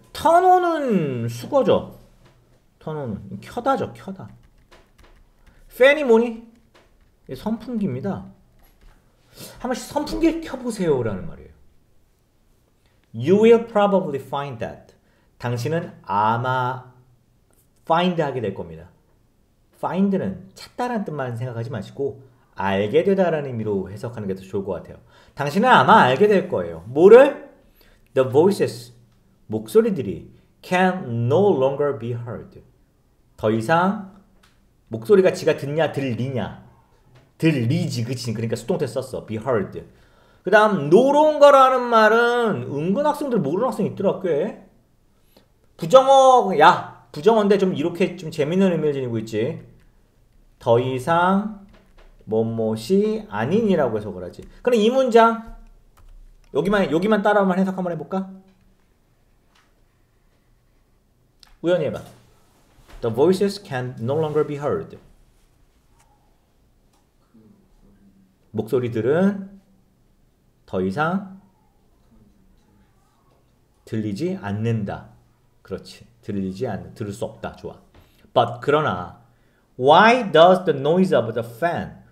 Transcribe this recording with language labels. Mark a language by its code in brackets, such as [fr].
[en] Turn on [ko] 은 수거죠. Turn on은 켜다죠. 켜다. Fan이 뭐니? 선풍기입니다. 한번 선풍기 켜보세요라는 말이에요. [en] You will probably find that. [ko] 당신은 아마 find 하게 될 겁니다. find는 찾다란 뜻만 생각하지 마시고, 알게 되다라는 의미로 해석하는 게더 좋을 것 같아요. 당신은 아마 알게 될 거예요. 뭐를? [en] The voices, [ko] 목소리들이 [en] can no longer be heard. [ko] 더 이상 목소리가 지가 듣냐, 들리냐. 들리지, 그치? 그러니까 수동태 썼어. [en] be heard. [ko] 그 다음 노론거라는 말은 은근 학생들 모르는 학생 있더라 꽤. 부정어 야 부정어인데 좀 이렇게 좀 재밌는 의미를 지니고 있지. 더 이상 뭣뭣이 아닌이라고 해석을 하지. 그럼 이 문장 여기만 따라 한번 해석 한번 해볼까? 우연히 해봐. [en] The voices can no longer be heard. [ko] 목소리들은 더 이상 들리지 않는다. 그렇지. 들리지 않는, 들을 수 없다. 좋아. [en] But, [ko] 그러나, [en] why does the noise of the fan?